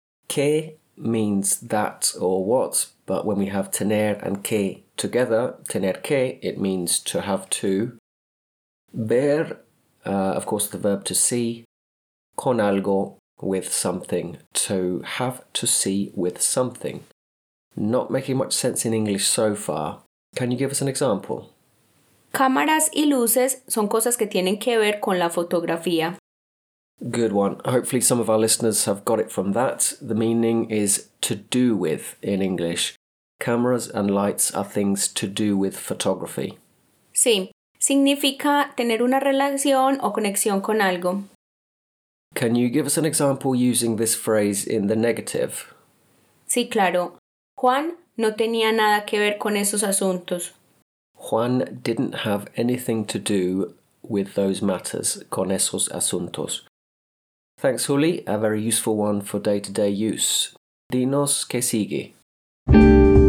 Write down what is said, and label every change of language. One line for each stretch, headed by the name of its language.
English: Que means that or what, but when we have tener and que together, tener que, it means to have to. Ver, of course, the verb to see. Con algo, with something. To have to see with something. Not making much sense in English so far. Can you give us an example?
Spanish: Cámaras y luces son cosas que tienen que ver con la fotografía.
English: Good one. Hopefully some of our listeners have got it from that. The meaning is to do with in English. Cameras and lights are things to do with photography.
Spanish: Sí, significa tener una relación o conexión con algo.
English: Can you give us an example using this phrase in the negative?
Spanish: Sí, claro. Juan no tenía nada que ver con esos asuntos.
English: Juan didn't have anything to do with those matters,
Spanish: con esos asuntos.
English: Thanks, Juli. A very useful one for day-to-day use.
Spanish: Dinos qué sigue.